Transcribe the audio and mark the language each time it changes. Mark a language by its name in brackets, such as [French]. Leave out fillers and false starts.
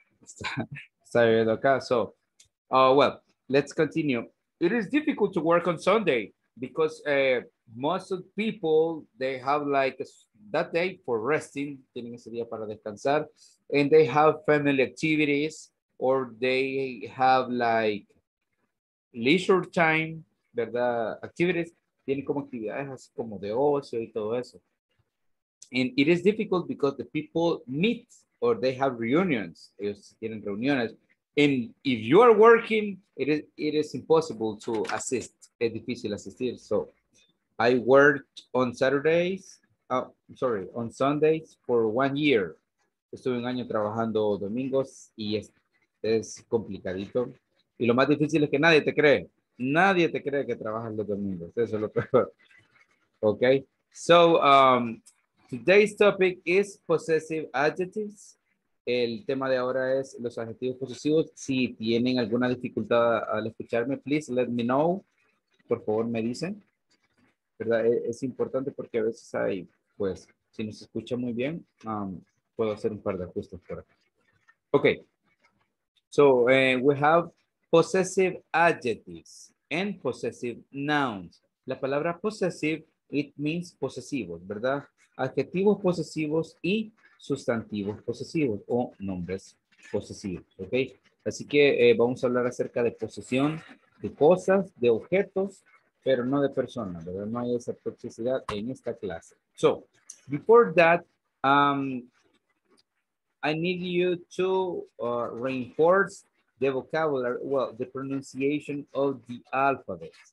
[Spanish] Está viviendo acá. [English] So, well, let's continue. It is difficult to work on Sunday. Because most of people, they have like that day for resting, [Spanish] tienen ese día para descansar, [English] and they have family activities, or they have like leisure time, ¿verdad? [Spanish] Activities, tienen como actividades así como de ocio y todo eso. [English] And it is difficult because the people meet or they have reunions. [Spanish] Ellos tienen reuniones. [English] And if you are working, it is impossible to assist. [Spanish] Es difícil asistir. [English] So I worked on Saturdays, on Sundays for 1 year. [Spanish] Estuve un año trabajando domingos y es complicadito. Y lo más difícil es que nadie te cree. Nadie te cree que trabajas los domingos. Eso es lo peor. Okay. [English] So, today's topic is possessive adjectives. [Spanish] El tema de ahora es los adjetivos posesivos. Si tienen alguna dificultad al escucharme, [English] please let me know. [Spanish] Por favor, me dicen. ¿Verdad? Es importante porque a veces hay, pues, si nos escucha muy bien, puedo hacer un par de ajustes por aquí. Okay. [English] So, we have possessive adjectives and possessive nouns. [Spanish] La palabra possessive, [English] it means [Spanish] posesivos, ¿verdad? Adjetivos posesivos y sustantivos posesivos o nombres posesivos, ¿ok? Así que vamos a hablar acerca de posesión de cosas, de objetos, pero no de personas, ¿verdad? No hay esa toxicidad en esta clase. [English] So, before that, I need you to reinforce the vocabulary, well, the pronunciation of the alphabet.